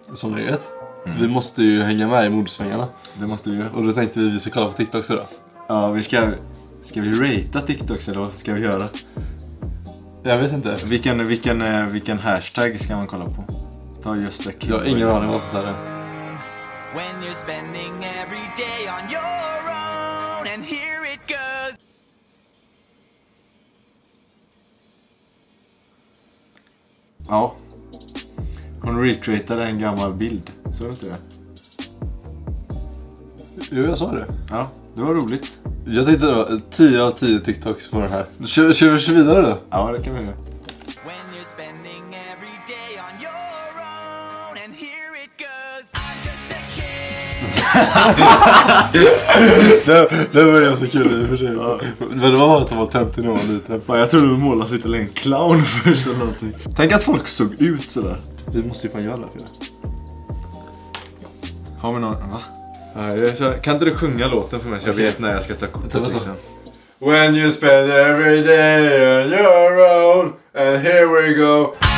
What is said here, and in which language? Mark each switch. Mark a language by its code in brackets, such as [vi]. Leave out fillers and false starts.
[sv] Som ni vet. Mm. Vi måste ju hänga med i modsvängarna. Det måste vi ju. Och då tänkte vi ska kolla på TikToks idag. Ja, vi ska... Ska vi rata TikToks eller vad ska vi göra? Jag vet inte. Vilken hashtag ska man kolla på? Ta just det. Jag har ingen aning vad sånt här är. [en] When you're spending every day on your own and here it goes. [sv] Ja, hon recreatade en gammal bild, såg du inte det? Jo, jag sa det. Ja, det var roligt. Jag tänkte då, 10 av 10 TikToks på den här. Kör vi vidare då? Ja, det kan vi göra. [en] When you're spending every day on your own and here it goes, I'm just a kid. [sv] Det var ju så kul i och för sig. Ja. Men det var bara att det var tänt i någon liten. Jag tror du målade sig till en clown först eller någonting. Tänk att folk såg ut så där. Vi måste ju fan göra det för det. Har vi någon? Va? Kan inte du sjunga låten för mig så jag vet när jag ska ta kortet sen. [en] When you spend every day on your own and here we go.